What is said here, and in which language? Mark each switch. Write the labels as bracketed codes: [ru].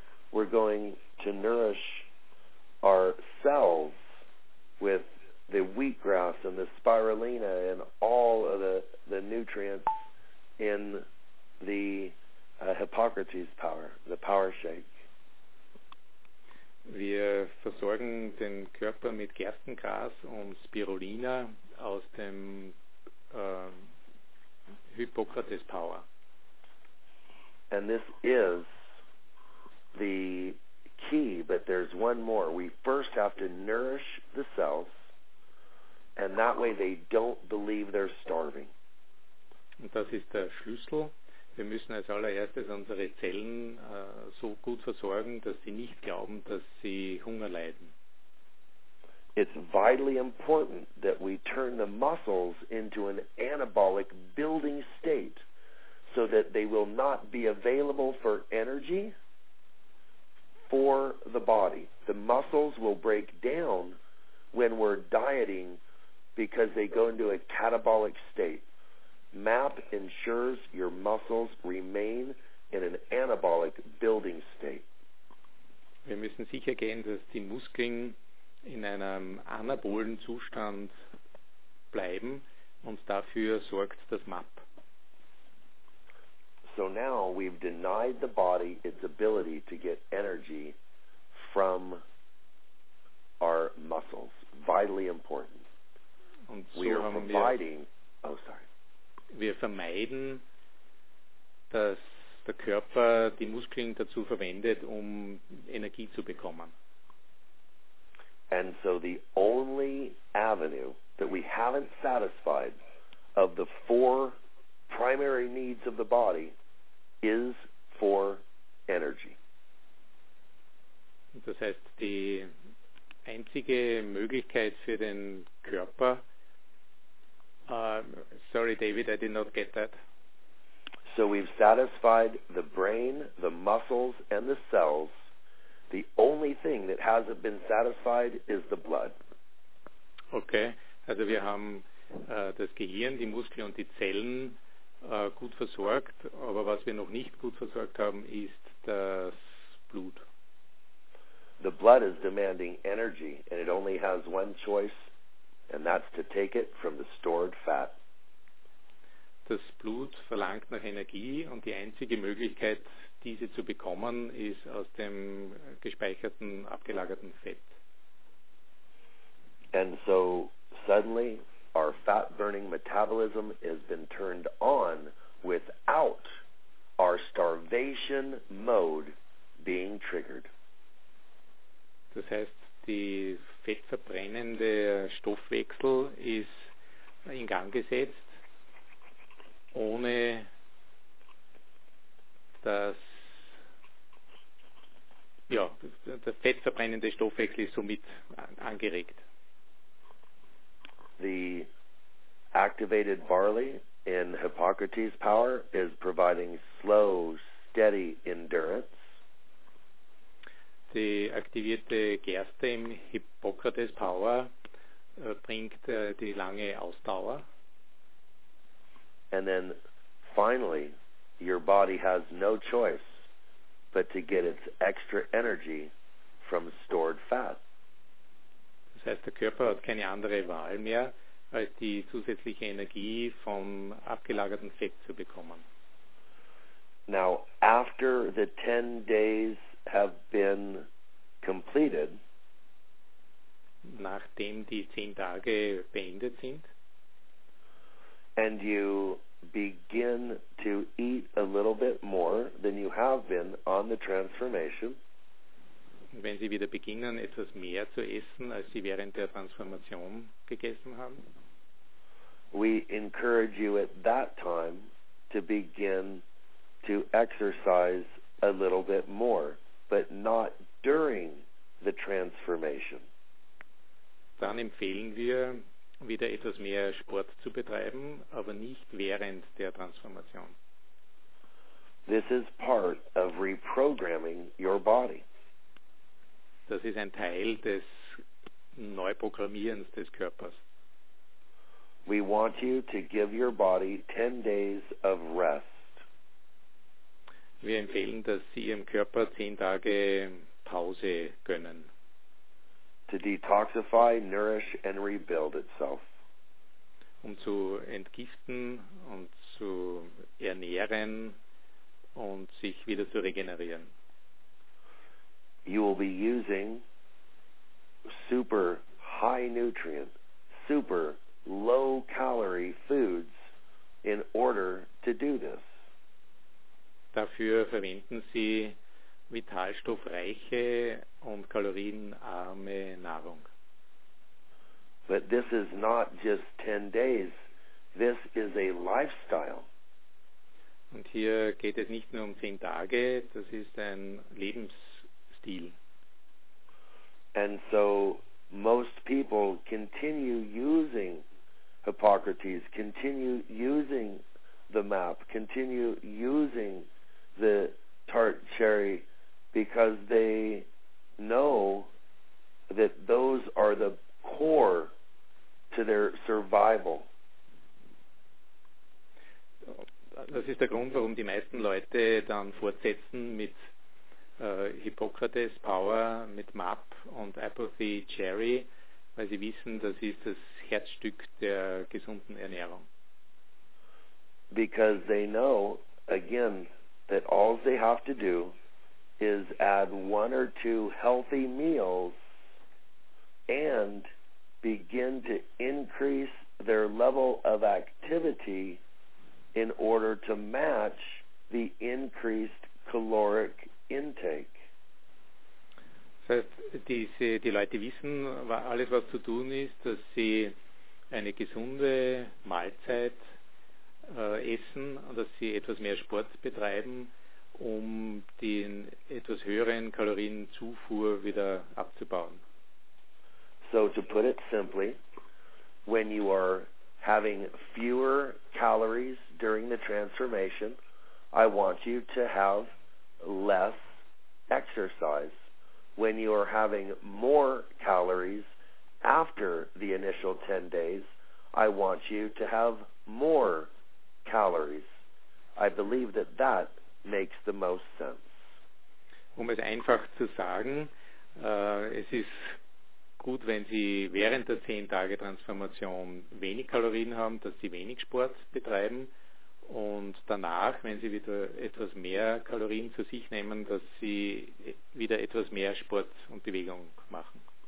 [en] We're going to nourish our cells with the wheatgrass and the spirulina and all of the nutrients in the Hippocrates power, the power shake. [de] Wir versorgen den Körper mit Gerstengras und Spirulina aus dem Hippocrates power. [en] And this is the key, but there's one more. We first have to nourish the cells, and that way they don't believe they're starving. [de] Und das ist der Schlüssel. Wir müssen als allererstes unsere Zellen so gut versorgen, dass sie nicht glauben, dass sie Hunger leiden. [en] It's vitally important that we turn the muscles into an anabolic building state so that they will not be available for energy for the body. The muscles will break down when we're dieting because they go into a catabolic state. MAP ensures your muscles remain in an anabolic building state. [de] Wir müssen sicher gehen, dass die Muskeln in einem anabolen Zustand bleiben, und dafür sorgt das MAP. [en] So now we've denied the body its ability to get energy from our muscles. Vitally important. [de] Und so [en] we are providing... [de] Wir vermeiden, dass der Körper die Muskeln dazu verwendet, um Energie zu bekommen. [en] And so the only avenue that we haven't satisfied of the four primary needs of the body is for energy. [de] Das heißt, die einzige Möglichkeit für den Körper... [en] sorry, David, I did not get that. So we've satisfied the brain, the muscles, and the cells. The only thing that hasn't been satisfied is the blood. [de] Okay, also wir haben das Gehirn, die Muskeln und die Zellen gut versorgt, aber was wir noch nicht gut versorgt haben, ist das Blut. [en] The blood is demanding energy, and it only has one choice, and that's to take it from the stored fat. [de] Das Blut verlangt nach Energie, und die einzige Möglichkeit, diese zu bekommen, ist aus dem gespeicherten, abgelagerten Fett. [en] And so suddenly our fat burning metabolism has been turned on without our starvation mode being triggered. [de] Das heißt, die fettverbrennende Stoffwechsel ist in Gang gesetzt, ohne dass, ja, der fettverbrennende Stoffwechsel ist somit angeregt. [en] The activated barley in Hippocrates' power is providing slow, steady endurance. [de] die aktivierte Gerste im Hippocrates Power bringt die lange Ausdauer. [en] And then finally, your body has no choice but to get its extra energy from stored fat. [de] Das heißt, der Körper hat keine andere Wahl mehr, als die zusätzliche Energie vom abgelagerten Fett zu bekommen. [en] Now, after the 10 days have been completed, [de] nachdem die 10 Tage beendet sind, [en] and you begin to eat a little bit more than you have been on the transformation, [de] wenn Sie wieder beginnen, etwas mehr zu essen, als Sie während der Transformation gegessen haben, [en] we encourage you at that time to begin to exercise a little bit more, but not during the transformation. [de] Dann empfehlen wir, wieder etwas mehr Sport zu betreiben, aber nicht während der Transformation. [en] This is part of reprogramming your body. [de] Das ist ein Teil des Neuprogrammierens des Körpers. [en] We want you to give your body 10 days of rest. [de] Wir empfehlen, dass Sie Ihrem Körper 10 Tage Pause gönnen. [en] To detoxify, nourish and rebuild itself. [de] Um zu entgiften und zu ernähren und sich wieder zu regenerieren. [en] You will be using super high nutrient, super low calorie foods in order to do this. [de] Dafür verwenden Sie vitalstoffreiche und kalorienarme Nahrung. [en] But this is not just 10 days. This is a lifestyle. [de] Und hier geht es nicht nur um 10 Tage, das ist ein Lebensstil. [en] And so most people continue using Hippocrates, continue using the map, continue using the tart cherry because they know that those are the core to their survival. [de] Das ist der Grund, warum die meisten Leute dann fortsetzen mit Hippocrates Power, mit MAP und Apothy Cherry, weil sie wissen, das ist das Herzstück der gesunden Ernährung. [en] Because they know, again, that all they have to do is add one or two healthy meals and begin to increase their level of activity in order to match the increased caloric intake. [de] Das heißt, die Leute wissen alles, was zu tun ist, dass sie eine gesunde Mahlzeit essen und dass sie etwas mehr Sport betreiben, um den etwas höheren Kalorienzufuhr wieder abzubauen. [en] So to put it simply, when you are having fewer calories during the transformation, I want you to have less exercise. When you are having more calories after the initial 10 days, I want you to have more calories. I believe that that makes the most sense. [de] Um es einfach zu sagen, es ist gut, wenn Sie während der 10-Tage-Transformation wenig Kalorien haben, dass Sie wenig Sport betreiben und danach, wenn Sie wieder etwas mehr Kalorien zu sich nehmen, dass Sie wieder etwas mehr Sport und Bewegung machen.